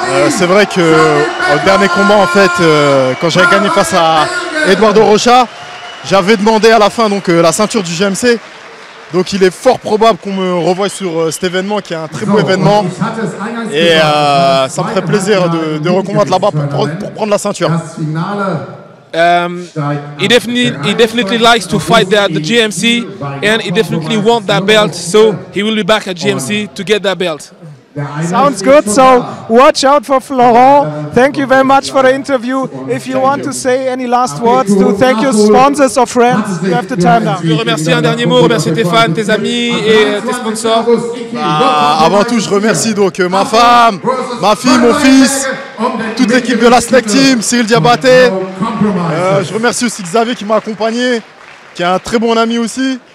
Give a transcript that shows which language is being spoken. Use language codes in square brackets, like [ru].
[fr] C'est vrai que au dernier combat, en fait, quand j'avais gagné face à Eduardo Rocha, j'avais demandé à la fin donc la ceinture du GMC. Donc il est fort probable qu'on me revoie sur cet événement qui est un très beau événement. Et ça me ferait plaisir de recombattre là-bas pour prendre la ceinture. [en] He definitely likes to fight there at the GMC and he definitely wants that belt, so he will be back at GMC to get that belt. Sounds good, so watch out for Florent. Thank you very much for the interview. If you want to say any last words to thank your sponsors or friends, you have the time now. [fr] Je remercie un dernier mot, remercie tes fans, tes amis et tes sponsors. Avant tout, je remercie donc ma femme, ma fille, mon fils, toute l'équipe de la Snack Team, Cyril Diabaté. Je remercie aussi Xavier qui m'a accompagné, qui est un très bon ami aussi.